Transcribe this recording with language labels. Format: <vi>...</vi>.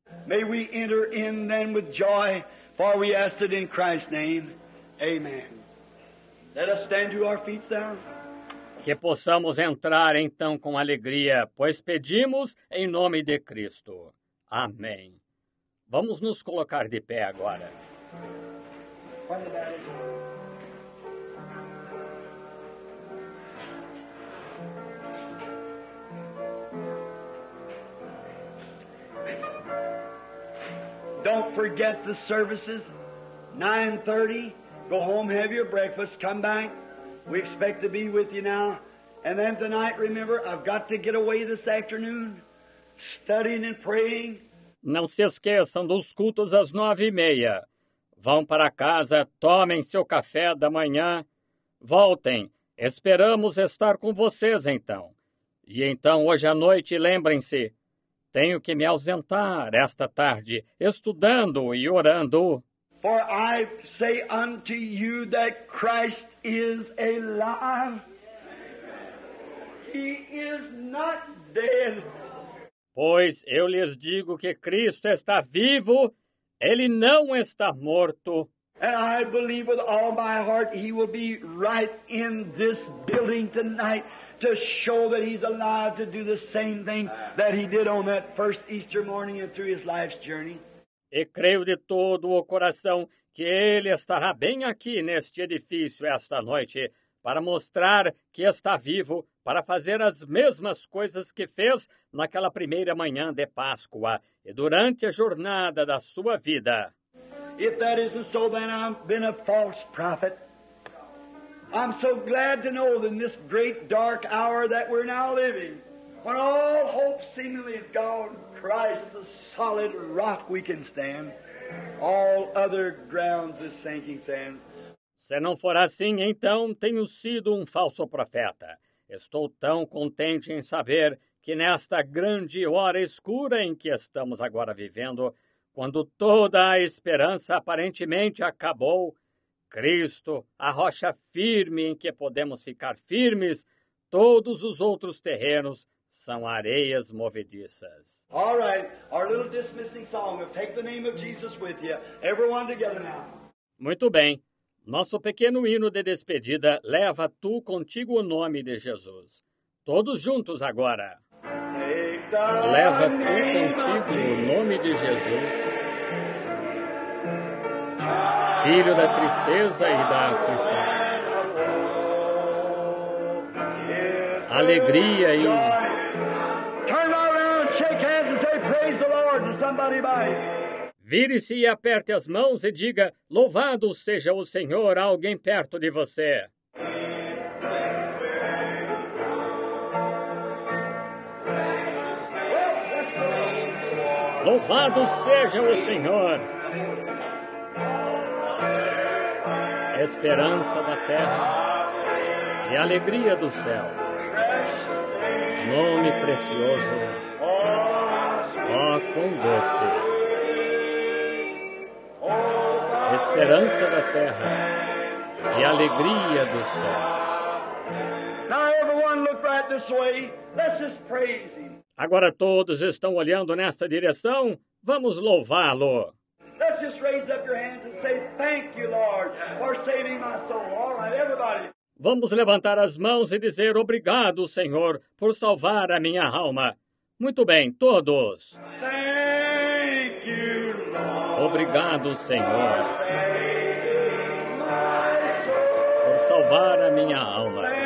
<en>May we enter in then with joy, for we ask it in Christ's name. Amen. Let us stand to our feet now.</en> <pt>Que possamos entrar então com alegria, pois pedimos em nome de Cristo. Amém. Vamos nos colocar de pé agora.</pt> <en>Thank you. forget the services. 9:30, go home, have your breakfast, come back. We expect to be with you now. And then tonight, remember, I've got to get away this afternoon, studying and praying.</en> <pt>Não se esqueçam dos cultos às 9:30. Vão para casa, tomem seu café da manhã. Voltem. Esperamos estar com vocês, então. E então, hoje à noite, lembrem-se, tenho que me ausentar esta tarde, estudando e orando.</pt> <en>For I say unto you that Christ is alive. He is not dead.</en> <pt>Pois eu lhes digo que Cristo está vivo, ele não está morto.</pt> <en>And I believe with all my heart he will be right in this building tonight to show that he's alive to do the same thing that he did on that first Easter morning and through his life's journey.</en> <pt>E creio de todo o coração que ele estará bem aqui neste edifício esta noite para mostrar que está vivo, para fazer as mesmas coisas que fez naquela primeira manhã de Páscoa e durante a jornada da sua vida.</pt> <en>If that isn't so, then I've been a false prophet. I'm so glad to know that in this great dark hour that we're now living, when all hope seemingly is gone, Christ, the solid rock we can stand, all other grounds is sinking sand.</en> <pt>Se não for assim, então tenho sido um falso profeta. Estou tão contente em saber que nesta grande hora escura em que estamos agora vivendo, quando toda a esperança aparentemente acabou, Cristo, a rocha firme em que podemos ficar firmes, todos os outros terrenos são areias movediças.</pt> <en>All right, our little dismissing song. We'll take the name of Jesus with you. Everyone together now.</en> <pt>Muito bem. Nosso pequeno hino de despedida leva tu contigo o nome de Jesus. Todos juntos agora. Leva tu contigo o nome de Jesus, filho da tristeza e da aflição, alegria e...</pt> <en>Turn around, shake hands and say praise the Lord to somebody by you.</en> <pt>Vire-se e aperte as mãos e diga, louvado seja o Senhor a alguém perto de você. Louvado seja o Senhor, esperança da terra e alegria do céu, nome precioso, ó quão doce, esperança da terra e alegria do céu.</pt> <en>Now everyone look right this way, let's just praise him.</en> <pt>Agora todos estão olhando nesta direção, vamos louvá-lo.</pt> <en>Let's just raise up your hands and say thank you, Lord, for saving my soul. All right, everybody.</en> <pt>Vamos levantar as mãos e dizer obrigado, Senhor, por salvar a minha alma. Muito bem, todos.</pt> <en>Thank you, Lord.</en> <pt>Obrigado, Senhor, por salvar a minha alma.</pt>